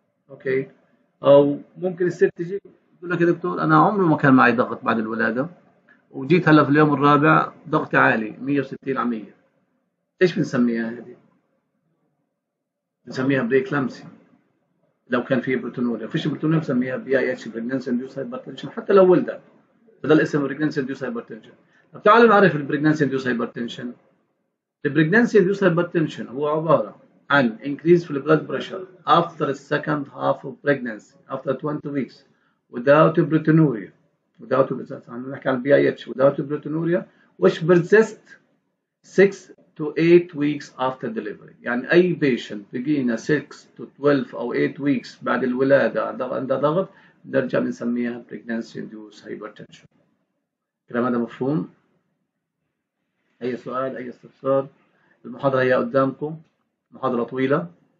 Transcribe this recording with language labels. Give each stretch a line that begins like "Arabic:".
Arabic: اوكي، او ممكن الست تجي تقول لك يا دكتور انا عمره ما كان معي ضغط بعد الولاده، وجيت هلا في اليوم الرابع ضغط عالي 160 على 100. ايش بنسميها هذه؟ بنسميها بريك لامسي لو كان في بروتونوريا، فيش بروتونوريا بنسميها بي اي اتش بريجننسي اندوس هايبر تنشن، حتى لو ولدت بدل اسم بريجننسي اندوس هايبر تنشن. طب تعالوا نعرف البريجننسي اندوس هايبر تنشن. البريجننسي اندوس هايبر تنشن هو عباره عن
English: increase في البلد pressure after the second half of pregnancy after 20 weeks without proteinuria without proteinuria.
Arabic: نحكي عن
English: P I H without proteinuria which persist 6 to 8 weeks after delivery.
Arabic: يعني اي patient بيجينا
English: 6 to 12
Arabic: او
English: 8 weeks
Arabic: بعد الولاده عند ضغط بنرجع بنسميها
English: pregnancy induced hypertension.
Arabic: كلام هذا مفهوم؟ اي سؤال اي استفسار؟ المحاضره هي قدامكم، محاضرة طويلة.